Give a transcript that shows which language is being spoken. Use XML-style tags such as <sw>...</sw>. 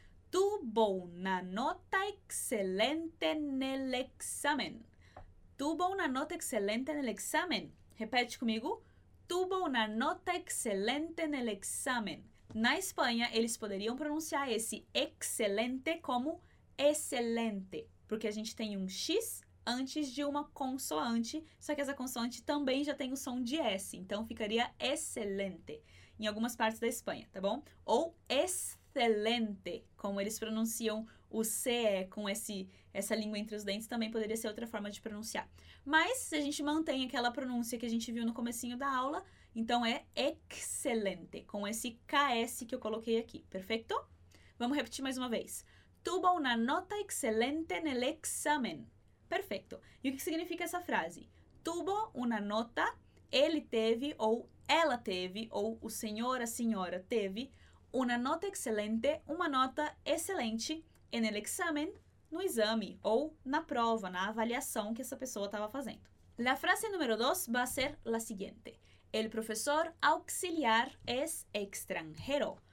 <es>Tuvo una nota excelente en el examen. Tuvo una nota excelente en el examen.</es> <pt>Repete comigo.</pt> <es>Tuvo una nota excelente en el examen.</es> <pt>Na Espanha, eles poderiam pronunciar esse excelente como excelente, porque a gente tem um X antes de uma consoante, só que essa consoante também já tem o som de S, então ficaria excelente em algumas partes da Espanha, tá bom? Ou excelente, como eles pronunciam o CE com essa língua entre os dentes, também poderia ser outra forma de pronunciar. Mas se a gente mantém aquela pronúncia que a gente viu no comecinho da aula, então é excelente, com esse KS que eu coloquei aqui, perfeito? Vamos repetir mais uma vez. Tuvo una nota excelente en el examen. Perfeito. E o que significa essa frase?</pt> <es>Tuvo una nota,</es> <pt>ele teve, ou ela teve, ou o senhor, a senhora teve,</pt> <es>una nota excelente,</es> <pt>uma nota excelente,</pt> <es>en el examen,</es> <pt>no exame, ou na prova, na avaliação que essa pessoa estava fazendo.</pt> <es>La frase número 2 va a ser la siguiente. El profesor auxiliar es extranjero.</es>